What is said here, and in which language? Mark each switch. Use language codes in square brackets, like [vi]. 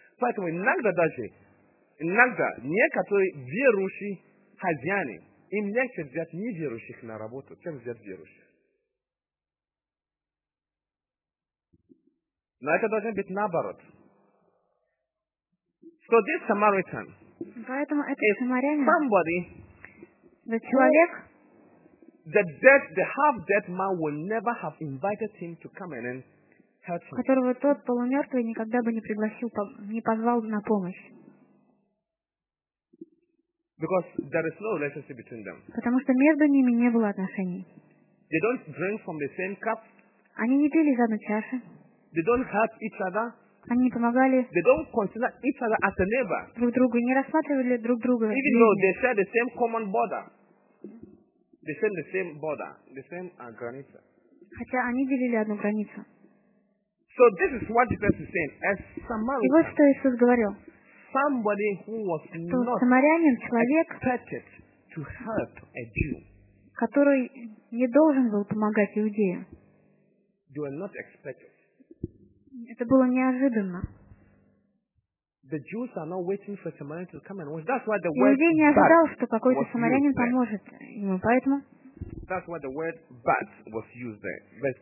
[ru] Поэтому иногда даже, иногда некоторые верующие хозяины, им легче взять неверующих на работу, чем взять верующих. Но это должно быть наоборот. [en] So this Samaritan. [ru] Поэтому этот самарянин. [en] Somebody. [ru] The человек. [en] The dead, the half-dead man would never have invited him to come in and help him. [ru] Которого тот полумертвый никогда бы не пригласил, не позвал на помощь. [en] Because there is no relationship between them. [ru] Потому что между ними не было отношений. [en] They don't drink from the same cup. [ru] Они не пили из одной чаши. [en] They don't help each other. [ru] Они не помогали. [en] They don't consider each other as a neighbor. [ru] Друг друга не рассматривали друг друга. [en] Even though they share the same common border. They share the same border, the same граница. [ru] Хотя они делили одну границу. [en] So this is what Jesus is saying. As Samaritan. [ru] И вот что Иисус говорил. [en] Somebody who was not [ru] самарянин, человек, [en] expected to help a Jew. [ru] Который не должен был помогать иудею. [en] You are not expected. [ru] Это было неожиданно. [en] The Jews are not waiting for Samaritan to come and wash. That's why the word [ru] не ожидал, что какой-то самарянин поможет ему, поэтому. [en] That's why the word "but" was used there.